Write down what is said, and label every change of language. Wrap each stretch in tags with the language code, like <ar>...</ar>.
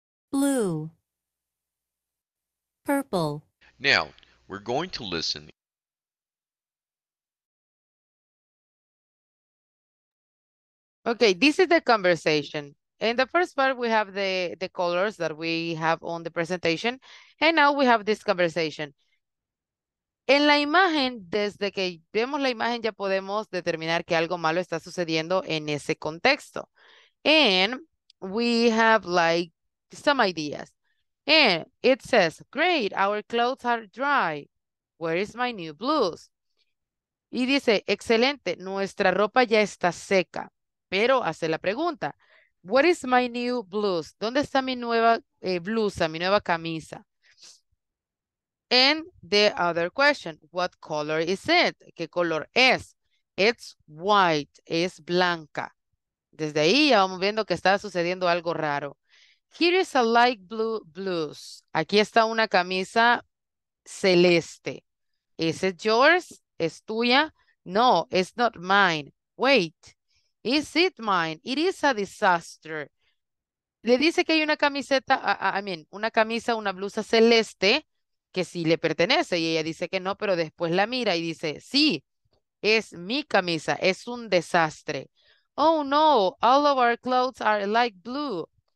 <en>Blue. Purple. Now, we're going to listen. Okay, this is the conversation. In the first part, we have the colors that we have on the presentation. And now we have this conversation.</en> <es>En la imagen, desde que vemos la imagen, ya podemos determinar que algo malo está sucediendo en ese contexto.</es> <en>And we have like some ideas. And it says, great, our clothes are dry. Where is my new blouse?</en> <es>Y dice, excelente, nuestra ropa ya está seca. Pero hace la pregunta,</es> <en>where is my new blouse?</en> <es>¿Dónde está mi nueva blusa, mi nueva camisa?</es> <en>And the other question, what color is it?</en> <es>¿Qué color es?</es> <en>It's white,</en> <es>es blanca. Desde ahí ya vamos viendo que está sucediendo algo raro.</es> <en>Here is a light blue blouse.</en> <es>Aquí está una camisa celeste.</es> <en>Is it yours?</en> <es>¿Es tuya?</es> <en>No, it's not mine. Wait. Is it mine? It is a disaster.</en> <es>Le dice que hay una camiseta, una camisa, una blusa celeste que sí le pertenece. Y ella dice que no, pero después la mira y dice, sí, es mi camisa, es un desastre.</es> <en>Oh no, all of our clothes are light blue.</en>